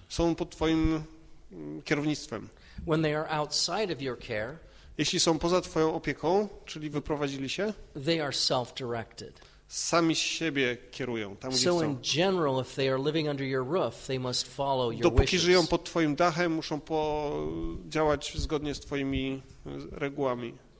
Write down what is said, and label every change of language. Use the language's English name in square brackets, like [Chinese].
[Polish] Są pod twoim kierownictwem. [English] When they are outside of your care, [Polish] jeśli są poza twoją opieką, czyli wyprowadzili się, [English] they are self-directed. [Polish] Sami siebie kierują tam, gdzie chcą. [English] So in general, if they are living under your roof, they must follow your wishes. [Polish] Dopóki żyją pod twoim dachem, muszą działać zgodnie z twoimi regułami.